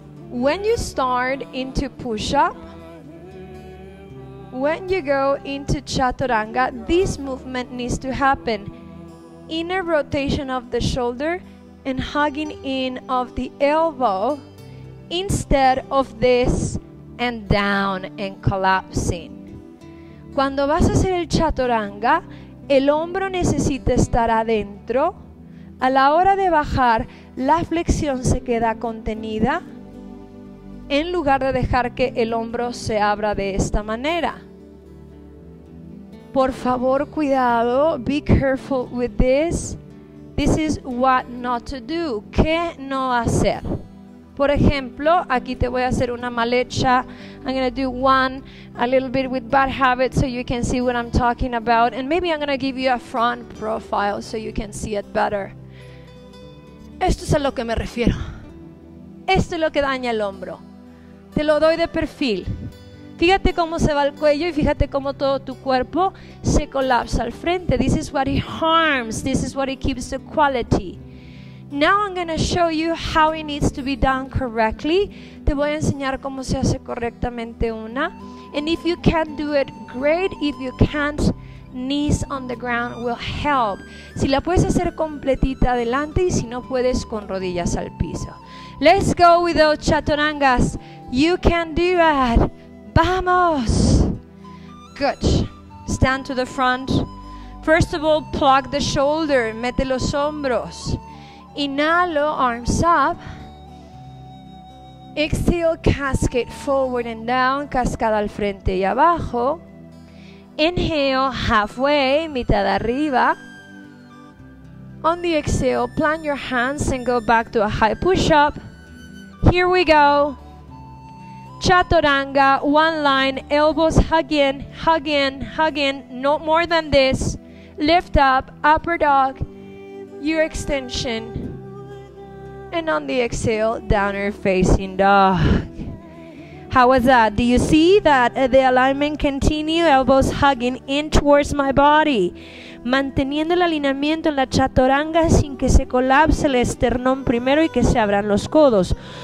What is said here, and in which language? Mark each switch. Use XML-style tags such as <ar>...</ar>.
<en>When you start into push-up, when you go into chaturanga, this movement needs to happen. Inner rotation of the shoulder and hugging in of the elbow instead of this and down and collapsing.</en> <es>Cuando vas a hacer el chaturanga, el hombro necesita estar adentro. A la hora de bajar, la flexión se queda contenida en lugar de dejar que el hombro se abra de esta manera. Por favor, cuidado.</es> <en>Be careful with this. This is what not to do.</en> <es>¿Qué no hacer? Por ejemplo, aquí te voy a hacer una mal hecha.</es> <en>I'm going to do one a little bit with bad habits so you can see what I'm talking about. And maybe I'm going to give you a front profile so you can see it better.</en> <es>Esto es a lo que me refiero. Esto es lo que daña el hombro. Te lo doy de perfil. Fíjate cómo se va el cuello y fíjate cómo todo tu cuerpo se colapsa al frente.</es> <en>This is what it harms. This is what it keeps the quality. Now I'm going to show you how it needs to be done correctly.</en> <es>Te voy a enseñar cómo se hace correctamente una.</es> <en>And if you can't do it, great. If you can't, knees on the ground will help.</en> <es>Si la puedes hacer completita adelante y si no puedes, con rodillas al piso.</es> <en>Let's go with those chaturangas. You can do it.</en> <es>Vamos.</es> <en>Good. Stand to the front. First of all, plug the shoulder.</en> <es>Mete los hombros. Inhalo,</es> <en>arms up. Exhale, cascade forward and down.</en> <es>Cascada al frente y abajo.</es> <en>Inhale, halfway,</en> <es>mitad arriba.</es> <en>On the exhale, plant your hands and go back to a high push-up. Here we go. Chaturanga, one line, elbows hugging, hugging, hugging, no more than this. Lift up, upper dog, your extension. And on the exhale, downward facing dog. How was that? Do you see that the alignment continue, elbows hugging in towards my body?</en> <es>Manteniendo el alineamiento en la chaturanga sin que se colapse el esternón primero y que se abran los codos.</es>